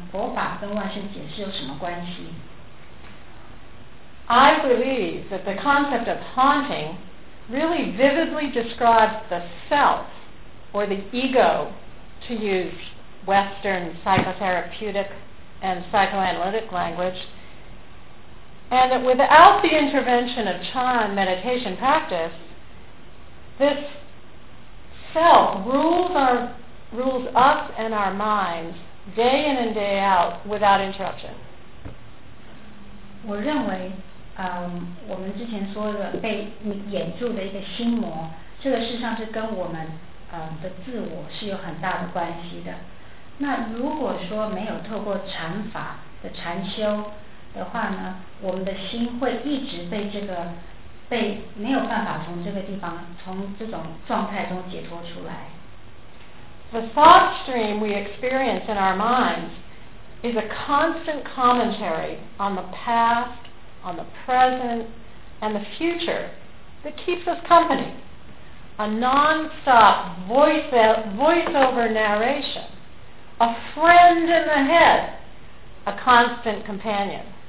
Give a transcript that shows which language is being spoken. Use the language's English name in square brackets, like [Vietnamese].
[Chinese] 那他刚刚又另外加说，在网络上有一个关于今天的这个演讲的一个文宣，上面画的呢就是一个很细很瘦的女人，然后长长的白头发。那看了这些影像，会觉得说，那这些又怎么样跟今天美国2010年的万圣节有任何的关联呢？佛法跟万圣节是有什么关系？ [English] I believe that the concept of haunting really vividly describes the self, or the ego, to use Western psychotherapeutic and psychoanalytic language, and that without the intervention of Chan meditation practice, this self rules us and our minds day in and day out without interruption. [Chinese] 我认为 我们之前说的被眼住的一个心魔，这个事实上是跟我们的自我是有很大的关系的。那如果说没有透过禅法的禅修的话呢，我们的心会一直被没有办法从这个地方，从这种状态中解脱出来。 [English] The thought stream we experience in our minds is a constant commentary on the past, on the present, and the future that keeps us company, a non-stop voiceover narration, a friend in the head, a constant companion.